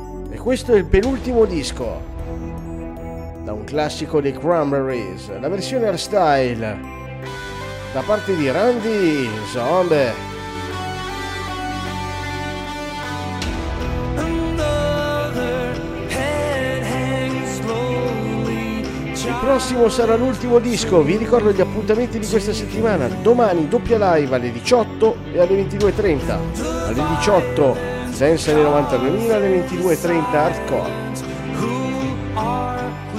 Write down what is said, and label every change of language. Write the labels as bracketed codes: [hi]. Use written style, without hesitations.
[it] E questo è il penultimo disco da un classico dei Cranberries, la versione Hardstyle da parte di Randy Zombie. [en] Another head hangs slowly. [it] prossimo sarà l'ultimo disco. Vi ricordo gli appuntamenti di questa settimana: domani doppia live alle 18 e alle 22.30, alle 18 Dance alle 90.000, alle 22.30 Hardcore.